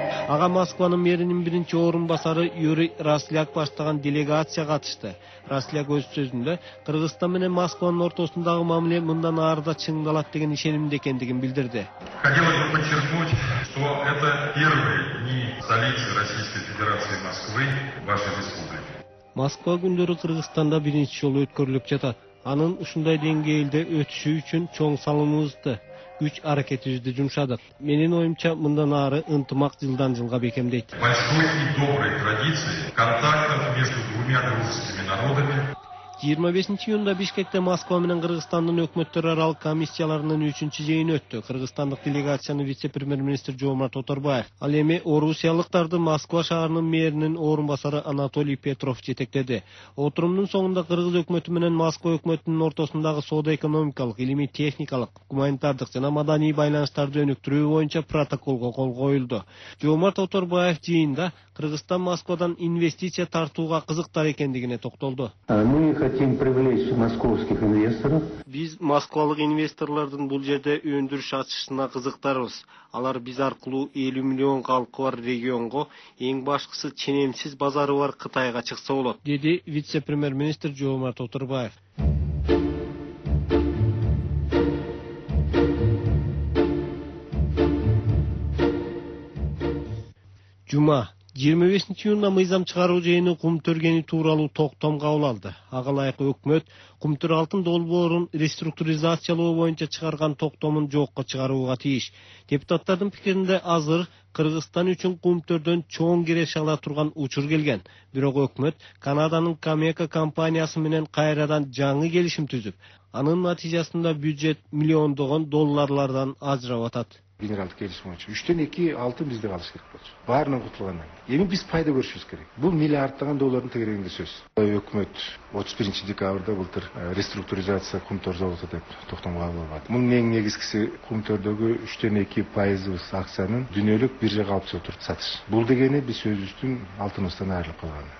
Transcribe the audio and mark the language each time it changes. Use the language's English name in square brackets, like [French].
[Kyrgyz] Ага Москванын мэринин биринчи орун басары Юрий Расляк баштаган делегация катышты. Расляк өз сөзүндө Кыргызстан менен Москванын ортосундагы мамиле мындан ары да чыңдалат деген ишенимде экендигин билдирди. [Russian] Хотелось бы подчеркнуть, что это первые дни столицы Российской Федерации Москвы, вашей республики. [Kyrgyz] Москва күндөрү Кыргызстанда биринчи жолу өткөрүлүп жатат. Анын ушундай деңгээлде өтүшү үчүн чоң салымыбызды. Үч аракетибизди жумшадык. Менин оюмча мындан ары ынтымак жылдан жылга бекемдейт. [Russian] Большой и добрый традиции контактов между двумя дружескими народами. [Kyrgyz] 25 июнда Бишкекте Москва менен Кыргызстандын өкмөттөр аралык комиссияларынын 3-чү жыйыны өттү. Кыргызстандык делегацияны вице-премьер-министр Жоомарт Оторбаев, ал эми орусиялыктарды Москва шаарынын мэринин орун басары Анатолий Петров жетектеди. Отурумдун соңунда кыргыз өкмөтү менен Москва өкмөтүнүн ортосундагы соода экономикалык, илимий техникалык, гуманитардык жана маданий байланыштарды өнүктүрүү боюнча протоколго кол коюлду. Жоомарт Оторбаев жыйында Кыргызстан Москвадан инвестиция тартууга кызыктар экендигине токтолду. [Russian] Хотим привлечь московских инвесторов. [Kyrgyz] Биз москвалык инвесторлордун бул жерде өндүрүш ачышына кызыктарбыз. Алар биз аркылуу 50 миллион калкы бар регионго, эң башкысы ченемсиз базары бар Кытайга чыкса болот, деди вице-премьер-министр Жоомарт Оторбаев. Жума 25 июнда мыйзам чыгаруу жыйыны кум төргени тууралуу токтом кабыл алды. Ага ылайык өкмөт кум төр алтын долбоорун реструктуризациялоо боюнча чыгарган токтомун жокко чыгарууга тийиш. Депутаттардын пикиринде азыр Кыргызстан үчүн кум төрдөн чоң киреш ала турган учур келген. Бирок өкмөт Канаданын Камека компаниясы менен кайрадан жаңы келишим түзүп, анын натыйжасында бюджет миллиондогон долларлардан ажырап атат. Генералдык келишим боюнча 3-2 алтын бизде калыш керек болчу. Баарынан кутулгандан кийин эми биз пайда көрүшүбүз керек. Бул миллиарддаган доллардын тегерегинде сөз. Өкмөт 31 декабрда былтыр реструктуризация кум төр золото деп токтом кабыл алган. Мунун эң негизгиси кум төрдөгү 3-2% акциянын дүйнөлүк биржага алып чыгып туруп сатыш. Бул дегени биз өзүбүздүн алтыныбыздан айрылып калганы.